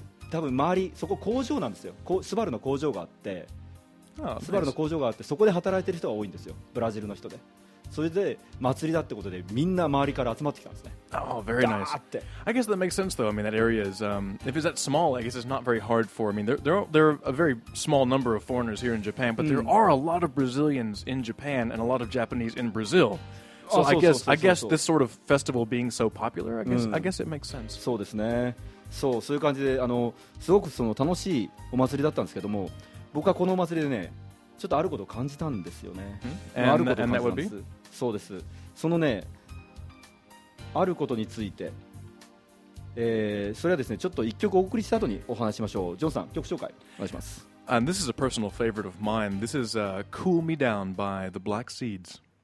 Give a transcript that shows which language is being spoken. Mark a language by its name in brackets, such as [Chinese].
[Japanese] 多分周りそこ工場なんですよ。スバルの工場があって、スバルの工場があってそこで働いてる人が多いんですよ、ブラジルの人で。それで祭りだってことでみんな周りから集まってきたんですね。 [English] Oh, very nice. [Japanese] ガーって。 [English] I guess that makes sense though. I mean that area is, if it's that small, I guess it's not very hard for. I mean there are a very small number of foreigners here in Japan, but there are a lot of Brazilians in Japan and a lot of Japanese in Brazil. So I guess this sort of festival being so popular, I guess it makes sense. [Japanese] そうですね。そういう感じであのすごくその楽しいお祭りだったんですけども、僕はこのお祭りでねちょっとあることを感じたんですよね。あることを感じたんです。そうです。そのねあることについて、それはですねちょっと一曲お送りした後にお話しましょう。ジョンさん曲紹介お願いします。 [English] And this is a personal favorite of mine. This is、Cool Me Down by The Black Seeds.